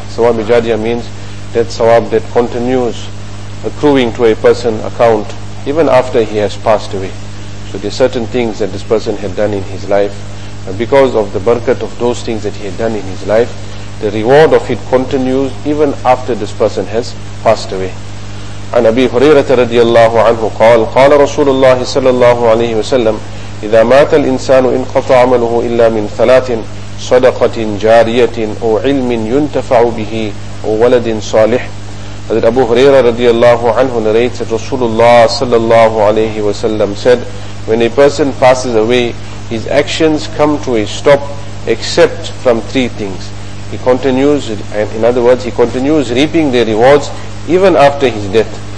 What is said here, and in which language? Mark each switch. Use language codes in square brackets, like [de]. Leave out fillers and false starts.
[en] Sawab Jariya means that Sawab that continues accruing to a person's account even after he has passed away. So there are certain things that this person had done in his life, because of the barakat of those things that he had done in his life, the reward of it continues even after this person has passed away. [ar] عن أبي هريرة رضي الله عنه قال قال رسول الله صلى الله عليه وسلم إذا مات الإنسان انقطع عمله إلا من ثلاث صدقة جارية أو علم ينتفع به أو ولد صالح. [en] حضرت أبو هريرة رضي الله عنه narrates that رسول الله صلى الله عليه وسلم said when a person passes away his actions come to a stop except from three things. He continues, in other words, he continues reaping the rewards even after his death.